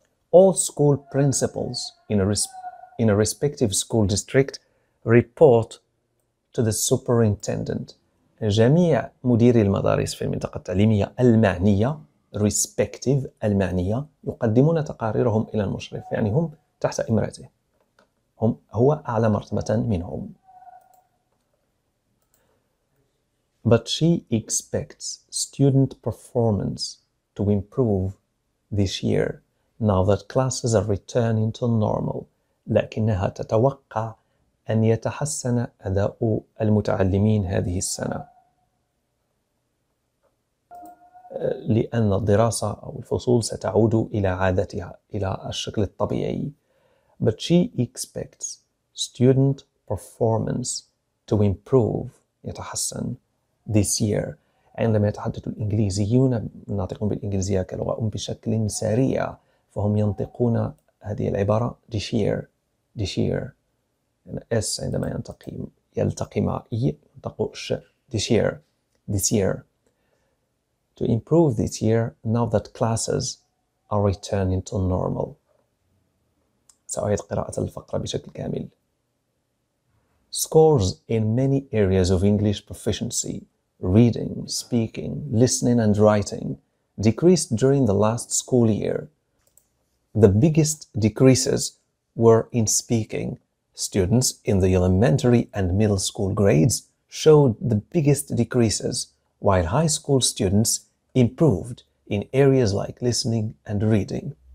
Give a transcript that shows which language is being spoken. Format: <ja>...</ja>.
<en>All school principals in a respective school district report to the superintendent.</en> <ar>جميع مديري المدارس في المنطقة التعليمية المعنية, respective المعنية, يقدمون تقاريرهم إلى المشرف, يعني هم تحت إمرته, هم هو أعلى مرتبة منهم.</ar> <en>But she expects student performance to improve this year, now that classes are returning to normal.</en> <ar>لكنها تتوقع أن يتحسن أداء المتعلمين هذه السنة, لأن الدراسة أو الفصول ستعود إلى عادتها, إلى الشكل الطبيعي.</ar> <en>But she expects student performance to improve, يتحسن, this year.</en> <ar>عندما يتحدث الإنجليزيون, ناطقون بالإنجليزية كلغة أم بشكل سريع, فهم ينطقون هذه العبارة</ar> <en>this year, this year.</en> <ar>يعني S عندما يلتقي مع E, ينطق ش,</ar> <en>this year, this year. to improve this year now that classes are returning to normal.</en> <ar>سأعيد قراءة الفقرة بشكل كامل.</ar> <en>Scores in many areas of English proficiency, reading, speaking, listening and writing, decreased during the last school year. The biggest decreases were in speaking. Students in the elementary and middle school grades showed the biggest decreases, while high school students improved in areas like listening and reading.</en>